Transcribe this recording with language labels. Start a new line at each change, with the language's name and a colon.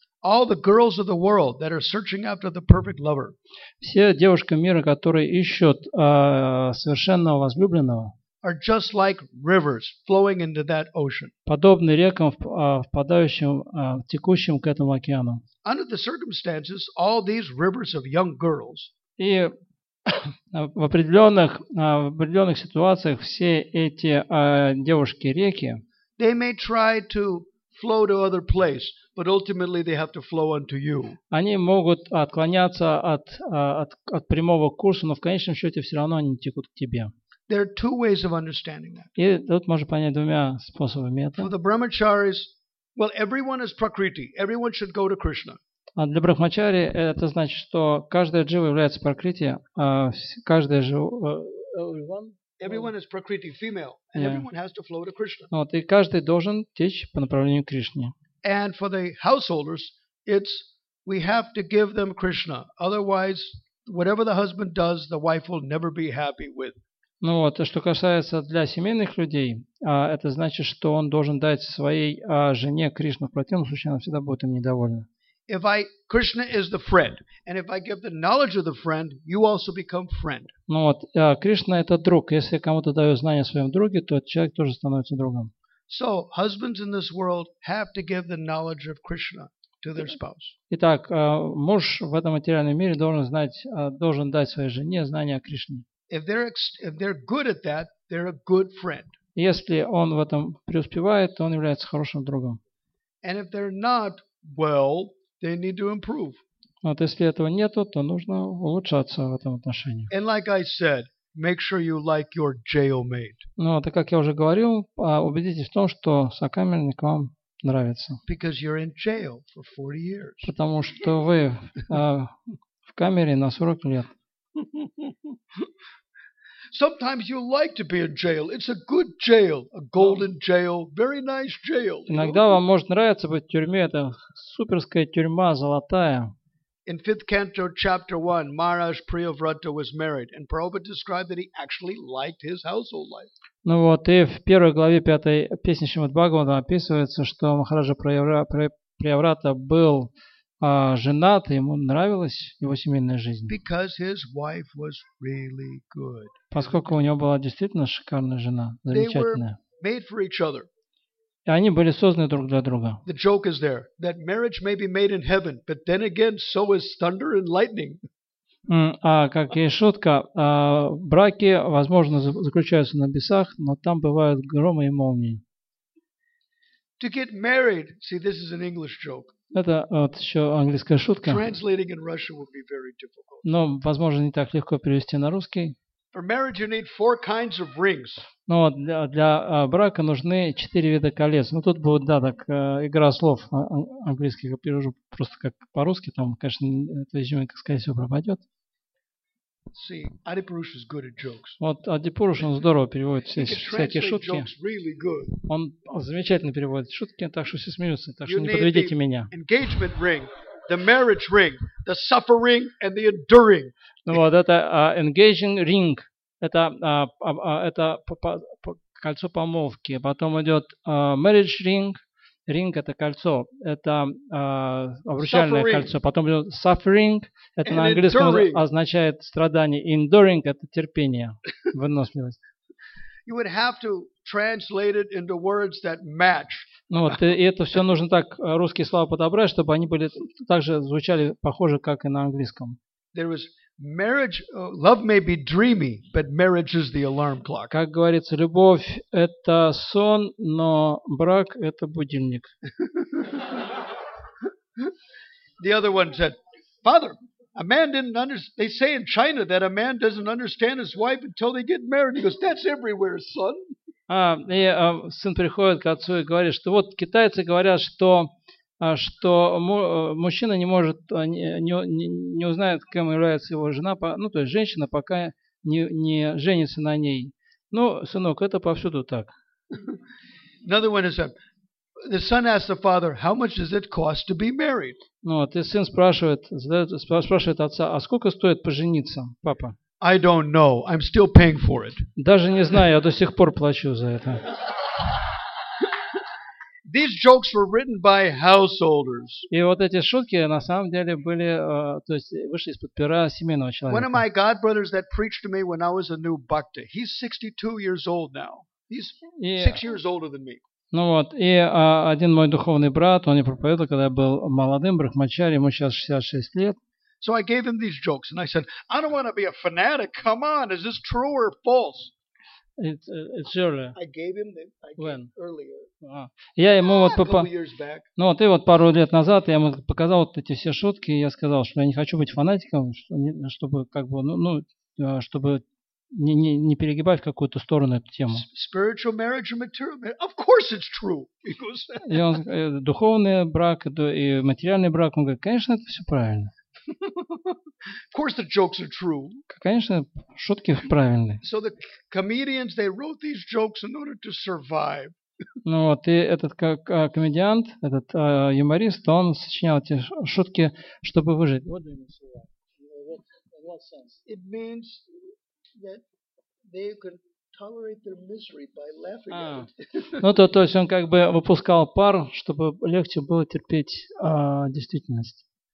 English: All the girls of the world that are searching after the perfect lover.
Russian: Все девушки мира, которые ищут совершенного возлюбленного,
English: are just like rivers flowing into that ocean.
Russian: Подобны рекам, впадающим, текущим к этому океану.
English: Under the circumstances, all these rivers of young girls.
Russian: И в определенных ситуациях все эти девушки-реки,
English: they may try to flow to other place, but ultimately they have to flow unto you.
Russian: Они могут отклоняться от прямого курса, но в конечном счете все равно они текут к тебе.
English: There are two ways of understanding that.
Russian: И тут можно понять двумя способами это.
English: For the brahmacharis, well, everyone is prakriti. Everyone should go to Krishna.
Russian: А для брахмачари это значит, что каждая джива является пракрити, каждая жива.
English: Everyone is prakriti, female, and everyone has to flow to Krishna.
Russian: Вот, и каждый должен течь по направлению к Кришне.
English: And for the householders, it's we have to give them Krishna, otherwise, whatever the husband does, the wife will never be happy with.
Russian: Ну вот, а что касается для семейных людей, это значит, что он должен дать своей жене Кришну, в противном случае она всегда будет им недовольна.
English: If I Krishna is the friend, and if I give the knowledge of the friend, you also become friend.
Russian: Ну вот, Кришна это друг. Если я кому-то даю знания о своем друге, то человек тоже становится другом.
English: So husbands in this world have to give the knowledge of Krishna to their spouse.
Russian: Итак, муж в этом материальном мире должен знать, должен дать своей жене знания о Кришне.
English: If they're good at that, they're a good friend.
Russian: Если он в этом преуспевает, то он является хорошим другом.
English: And if they're not well, they need to improve.
Russian: Вот если этого нету, то нужно улучшаться в этом отношении.
English: And like I said, make sure you like your jailmate.
Russian: Ну, так как я уже говорил, убедитесь в том, что сокамерник вам нравится.
English: Because you're in jail for 40 years.
Russian: Потому что вы в камере на 40 лет.
English: Sometimes you like to be in jail. It's a good jail, a golden jail, very nice jail.
Russian: Иногда вам может нравиться быть в тюрьме, это суперская тюрьма, золотая.
English: In 5th canto, chapter 1, Maharaj Priyavrata was married, and Prabhupada described that he actually liked his household life.
Russian: Ну вот, и в первой главе 5-й песни Шримад-Бхагаватам описывается, что Махараджа Приаврата был женат, ему нравилась его семейная жизнь.
English: Because his wife was really good.
Russian: Поскольку у него была действительно шикарная жена, замечательная.
English: They were made for each other.
Russian: И они были созданы друг для друга.
English: The joke is there that marriage may be made in heaven, but then again, so is thunder and lightning.
Russian: Как и шутка, браки, возможно, заключаются на небесах, но там бывают громы и молнии.
English: To get married, see, this is an English joke.
Russian: Это вот еще английская шутка.
English: Translating in Russian would be very difficult.
Russian: Но, возможно, не так легко перевести на русский.
English: For marriage you need four kinds of rings.
Russian: Ну, для брака нужны четыре вида колец. Ну, тут будет, да, так, игра слов английских. Я перевожу просто как по-русски. Там, конечно, это изюминка, скорее всего, пропадет.
English: See, Adi Purush is good at jokes.
Russian: Вот Ади Пуруш, он здорово переводит всякие шутки.
English: Really good.
Russian: Он замечательно переводит шутки, так что все смеются, так что не подведите меня.
English: Engagement ring, the marriage ring, the suffering and the enduring.
Russian: Ну вот это
English: engaging ring,
Russian: это кольцо помолвки. Потом идет
English: marriage ring,
Russian: Ring – это кольцо, это обручальное кольцо. Потом suffering – это на английском означает страдание. Enduring – это терпение, выносливость.
English: You would have to translate it into words that match.
Russian: Ну вот, и это все нужно так русские слова подобрать, чтобы они были также звучали похоже, как и на английском.
English: There was marriage. Love may be dreamy, but marriage is the alarm clock.
Russian: Как говорится, любовь это сон, но брак это будильник.
English: The other one said, "Father, a man didn't understand. They say in China that a man doesn't understand his wife until they get married." He goes, "That's everywhere, son."
Russian: Сын приходит к отцу и говорит, что вот китайцы говорят, что мужчина не может, не узнает, кем является его жена, ну, то есть женщина, пока не женится на ней. Ну, сынок, это повсюду так.
English: Another one is that the son asks the father, how much does it cost to be married?
Russian: Ну, вот, и сын спрашивает отца, а сколько стоит пожениться, папа?
English: I don't know. I'm still paying for it.
Russian: Даже не знаю, я до сих пор плачу за это.
English: These jokes were written by householders.
Russian: И вот эти шутки на самом деле были, то есть вышли из-под пера семейного человека.
English: One of my godbrothers that preached to me when I was a new bhakta. He's 62 years old now. He's 6 years older than me.
Russian: Ну вот, и один мой духовный брат, он мне проповедовал, когда я был молодым брахмачари, ему сейчас 66 лет.
English: So I gave him these jokes and I said, I don't want to be a fanatic. Come on, is this true or false? It's earlier. I gave him the when? Earlier.
Russian: Я ему вот ну вот и вот пару лет назад я ему показал вот эти все шутки, и я сказал, что я не хочу быть фанатиком, чтобы как бы чтобы не перегибать в какую-то сторону эту тему.
English: Spiritual marriage and material marriage. Of course it's true.
Russian: И он духовный брак и материальный брак, он говорит, конечно, это все правильно.
English: Of course the jokes are true.
Russian: Конечно, шутки правильные.
English: So the comedians, they wrote these jokes in order to survive.
Russian: Ну вот, и этот как комедиант, этот юморист, он сочинял эти шутки, чтобы выжить.
English: What do you mean survive? What sense? It means that they could tolerate their misery by laughing at it.
Russian: Ну то есть он как бы выпускал пар, чтобы легче было терпеть действительность.